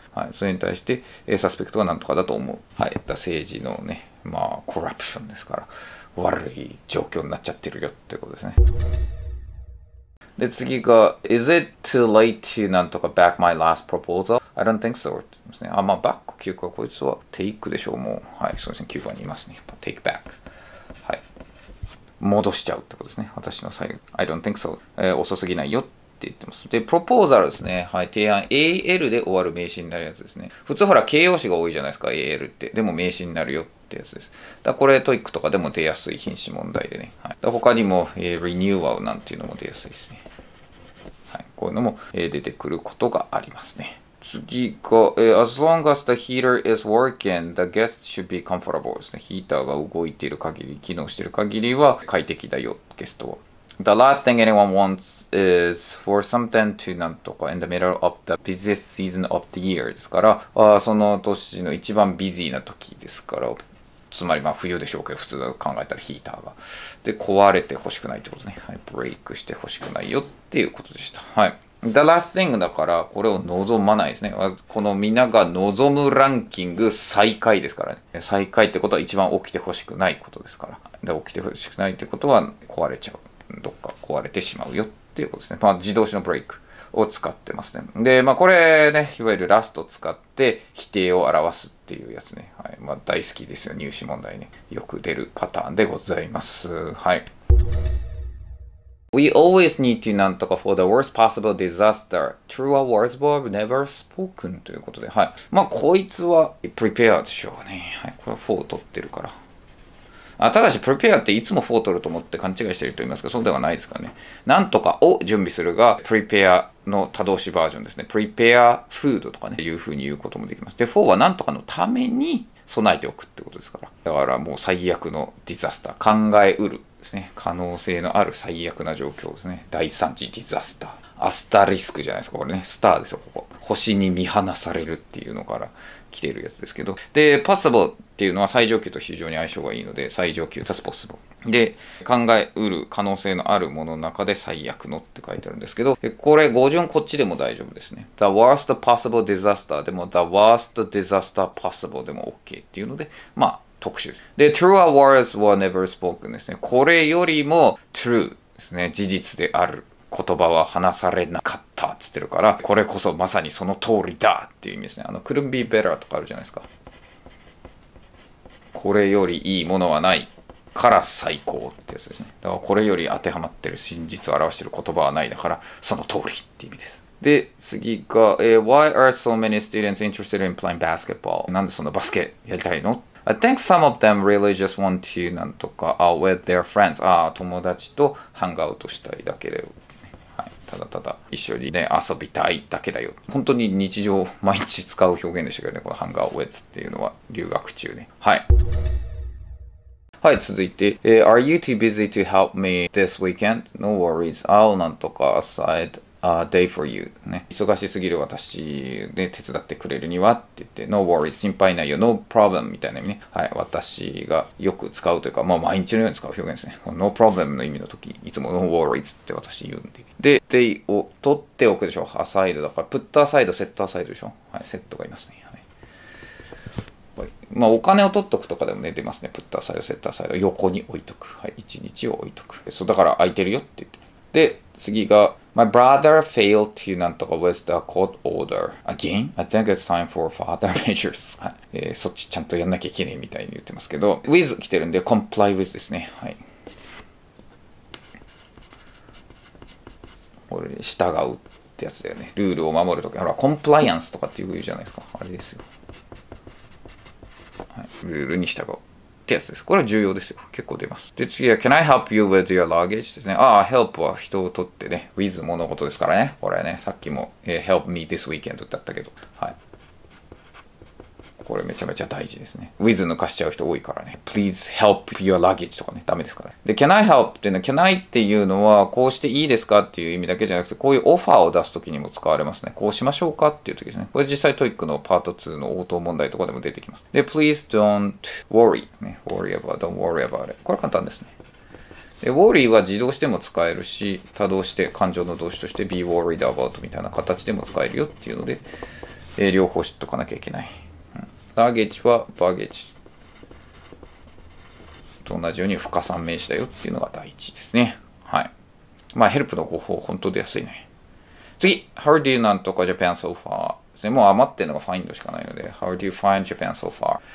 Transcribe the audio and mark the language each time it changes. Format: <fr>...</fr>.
<ja>はい、それに対して、サスペクトは何とかだと思う。はい。政治のね、まあ、コラプションですから、悪い状況になっちゃってるよってことですね。で、次が、</ja> <en>Is it too late to</en> <ja>何とか</ja> <en>back my last proposal? I don't think so.</en> <ja>って言いますね。あ、まあ、バック9か、こいつは take でしょう、もう。はい、すみません、9番にいますね。やっぱ take back。はい。戻しちゃうってことですね。私の最後。</ja> <en>I don't think so.、</en> <ja>遅すぎないよ。って言ってます。で、プロポーザルですね。はい、提案、 AL で終わる名詞になるやつですね。普通ほら形容詞が多いじゃないですか、 AL って。でも名詞になるよってやつです。だからこれトイックとかでも出やすい品詞問題でね。はい、だから他にも、Renewal なんていうのも出やすいですね。はい、こういうのも、出てくることがありますね。</ja> <en>次が、As long as the heater is working, the guest should be comfortable</en> <ja>ですね。ヒーターが動いている限り、機能している限りは快適だよ、ゲストは。</ja> <en>The last thing anyone wants is for something to</en> <ja>なんとか</ja> <en>in the middle of the busiest season of the year</en> <ja>ですから、その年の一番ビジーな時ですから、つまりまあ冬でしょうけど、普通の考えたらヒーターがで壊れてほしくないってことね、はい、ブレイクしてほしくないよっていうことでした。はい、</ja> <en>The last thing</en> <ja>だから、これを望まないですね。このみんなが望むランキング最下位ですからね。最下位ってことは一番起きてほしくないことですから。で、起きてほしくないってことは壊れちゃう。どっか壊れてしまうよっていうことですね。まあ、自動詞のブレイクを使ってますね。で、まあこれね、いわゆるラストを使って否定を表すっていうやつね。はい。まあ大好きですよ。入試問題ね。よく出るパターンでございます。</ja> <en>はい。We always need to</en> <ja>なんとか</ja> <en>for the worst possible disaster. True a words were never spoken</en> <ja>ということで、はい。まあ、こいつは prepare でしょうね。はい。これは4を取ってるから。あ、ただし prepare っていつも4を取ると思って勘違いしてると言いますか、そうではないですからね。なんとかを準備するが prepare の他動詞バージョンですね。 prepare food とかね、いうふうに言うこともできます。で、4はなんとかのために備えておくってことですから。だからもう最悪のディザスター。考えうる。ですね、可能性のある最悪な状況ですね。第三次ディザスター。アスタリスクじゃないですか、これね。スターですよ、ここ。星に見放されるっていうのから来ているやつですけど。で、possible っていうのは最上級と非常に相性がいいので、最上級、</ja> <en>that's possible。</en> <ja>で、考えうる可能性のあるものの中で最悪のって書いてあるんですけど、これ語順こっちでも大丈夫ですね。</ja> <en>The worst possible disaster でも、the worst disaster possible でも OK</en> <ja>っていうので、まあ、特集です。</ja> <en>で、true words were never spoken ですね。</en> <ja>これよりも true ですね。事実である言葉は話されなかったって言ってるから、これこそまさにその通りだっていう意味ですね。あの、</ja> <en>couldn't be better</en> <ja>とかあるじゃないですか。これよりいいものはないから最高ってやつですね。だからこれより当てはまってる真実を表してる言葉はないだから、その通りっていう意味です。で、次が、</ja> <en>why are so many students interested in playing basketball?</en> <ja>なんでそんなバスケやりたいの？</ja> <en>I think some of them really just want to,</en> <ja>なんとか、</ja> <en>with their friends.</en> <ja>ああ、友達とハンガーアウトしたいだけだよ。はい。ただただ、一緒にね、遊びたいだけだよ。本当に日常、毎日使う表現でしたけどね、このハンガー with っていうのは、留学中ね。はい。</ja> <en>はい、続いて、are you too busy to help me this weekend? No worries. I'll</en> <ja>なんとか</ja> <en>aside a day for you. ね。</en> <ja>忙しすぎる私で手伝ってくれるにはって言って、</ja> <en>no worries,</en> <ja>心配ないよ、</ja> <en>no problem</en> <ja>みたいな意味ね。はい、私がよく使うというか、まあ毎日のように使う表現ですね。</ja> <en>no problem</en> <ja>の意味の時、いつも</ja> <en>no worries</en> <ja>って私言うんで。で、day を取っておくでしょ。</ja> <en>aside</en> <ja>だから、</ja> <en>put aside, set aside</en> <ja>でしょ。はい、set がいますね。はい。はい、まあお金を取っとくとかでも、ね、出ますね。</ja> <en>put aside, set aside</en> <ja>横に置いとく。はい、一日を置いとく。そう、だから空いてるよって言って。で、次が、</ja> <en>My brother failed to</en> <ja>なんとか</ja> <en>with the court order. Again? I think it's time for further measures.</en> <ja>はい、そっちちゃんとやんなきゃいけねえみたいに言ってますけど、with 来てるんで、</ja> <en>comply with</en> <ja>ですね。はい。これ、従うってやつだよね。ルールを守るとき。ほら、compliance とかって言うじゃないですか。あれですよ。はい、ルールに従う。ってやつです。これは重要ですよ。結構出ます。で、次は、</ja> <en>Can I help you with your luggage?</en> <ja>ですね。ああ、help は人を取ってね。with 物事ですからね。これね。さっきも、</ja> <en>help me this weekend</en> <ja>ってあったけど。はい。これめちゃめちゃ大事ですね。 with 抜かしちゃう人多いからね。</ja> <en>please help your luggage</en> <ja>とかね。ダメですからね。で、Can I help っていうのは、Can I っていうのは、こうしていいですかっていう意味だけじゃなくて、こういうオファーを出すときにも使われますね。こうしましょうかっていうときですね。これ実際トイックのパート2の応答問題とかでも出てきます。</ja> <en>で、please don't worry.、ね、worry about, don't worry about it.</en> <ja>これ簡単ですね。で、worry は自動詞でも使えるし、他動詞で感情の動詞として be worried about みたいな形でも使えるよっていうので、両方知っとかなきゃいけない。ラゲッジはバゲッジと同じように不可算名詞だよっていうのが第一ですね。はい。まあヘルプの方法本当で安いね。</ja> <en>次、How do you</en> <ja>なんとか</ja> <en>Japan so far?</en> <ja>ですね、もう余ってるのがファインドしかないので、</ja> <en>How do you find Japan so far?</en>